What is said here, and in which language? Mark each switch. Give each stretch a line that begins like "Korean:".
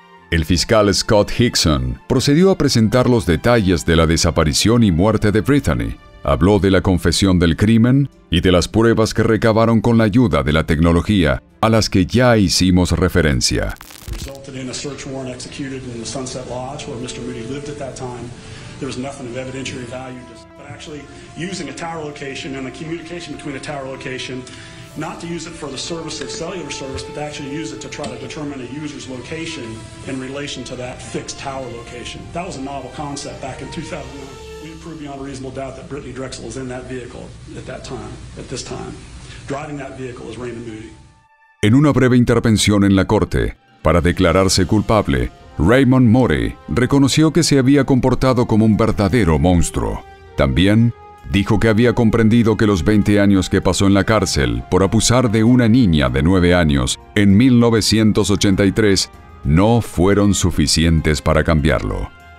Spanish: El fiscal Scott Hickson procedió a presentar los detalles de la desaparición y muerte de Brittany. Habló de la confesión del crimen y de las pruebas que recabaron con la ayuda de la tecnología a las que ya hicimos referencia. Resultó en un
English: search warrant executed in the Sunset Lodge where Mr. Moody lived at that time. There was nothing of evidentiary value, but actually using a tower location and the communication between a tower location, not to use it for the service of cellular service, but to actually use it to try to determine a user's location in relation to that fixed tower location. That was a novel concept back in 2009. Prove beyond a reasonable doubt that Brittany Drexel is in that vehicle at that time, at this time. Driving that vehicle is Raymond Moody.
Spanish: En una breve intervención en la corte, para declararse culpable, Raymond Moody reconoció que se había comportado como un verdadero monstruo. También dijo que había comprendido que los 20 años que pasó en la cárcel por abusar de una niña de 9 años en 1983 no fueron suficientes para cambiarlo.